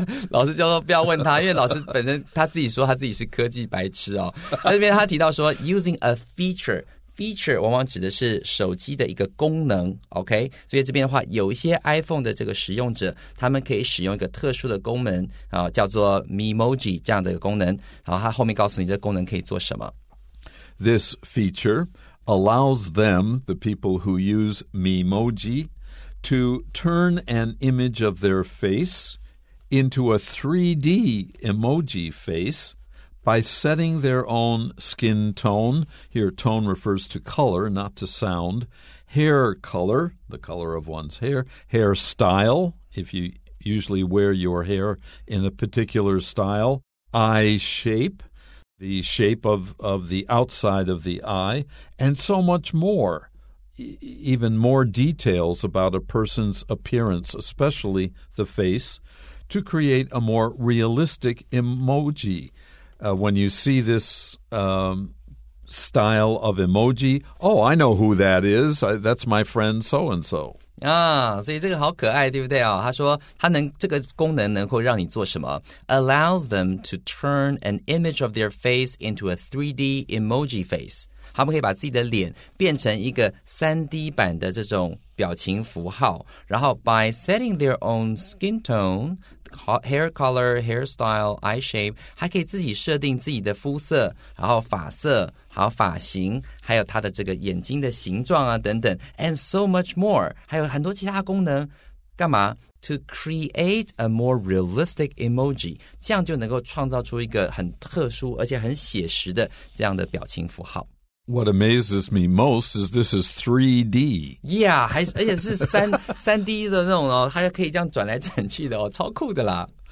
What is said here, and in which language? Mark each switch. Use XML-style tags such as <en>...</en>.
<zh>老师就说不要问他，因为老师本身他自己说他自己是科技白痴、哦、在这边他提到说</zh> <en>using a feature,</en> <zh>feature 往往指的是手机的一个功能 ，OK？所以这边的话，有一些 iPhone 的这个使用者，他们可以使用一个特殊的功能啊，叫做 Memoji 这样的一个功能。然后它后面告诉你这个功能可以做什么。</zh> <en>This feature allows them, the people who use Memoji, to turn an image of their face into a 3D emoji face. By setting their own skin tone, here tone refers to color, not to sound, hair color, the color of one's hair, hair style, if you usually wear your hair in a particular style, eye shape, the shape of the outside of the eye, and so much more, even more details about a person's appearance, especially the face, to create a more realistic emoji. When you see this style of emoji, oh, I know who that is. That's my friend so-and-so.</en> <zh>啊，所以这个好可爱，对不对啊？他说他能这个功能能够让你做什么</zh> <en>？Allows them to turn an image of their face into a 3D emoji face.</en> <zh>他们可以把自己的脸变成一个 3D 版的这种表情符号，然后</zh> <en>by setting their own skin tone. Hair color, hairstyle, eye shape</en> <zh>还可以自己设定自己的肤色然后发色还有发型还有他的这个眼睛的形状啊等等</zh> <en>And so much more</en> <zh>还有很多其他功能干嘛</zh> <en>To create a more realistic emoji</en> <zh>这样就能够创造出一个很特殊而且很写实的这样的表情符号</zh> <en>What amazes me most is this is 3D.</en> <zh>Yeah, 还而且是三 D 的那种哦，它可以这样转来转去的哦，超酷的啦。</zh>